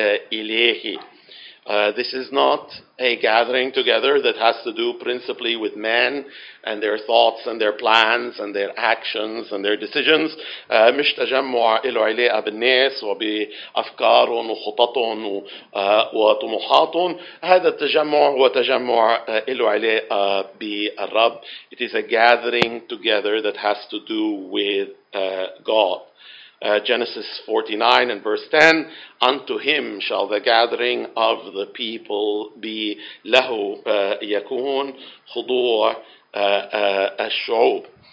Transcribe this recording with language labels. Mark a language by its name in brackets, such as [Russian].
[English] This is not a gathering together that has to do principally with men and their thoughts and their plans and their actions and their decisions. [Arabic] مش تجمع له علاقة بالناس وبأفكارهم وخططهم وطموحاتهم. هذا التجمع هو تجمع له علاقة بالرب. [English] It is a gathering together that has to do with God. Genesis 49 and verse 10, unto him shall the gathering of the people be [Arabic] lahu yakun khudur ash-shu'ub.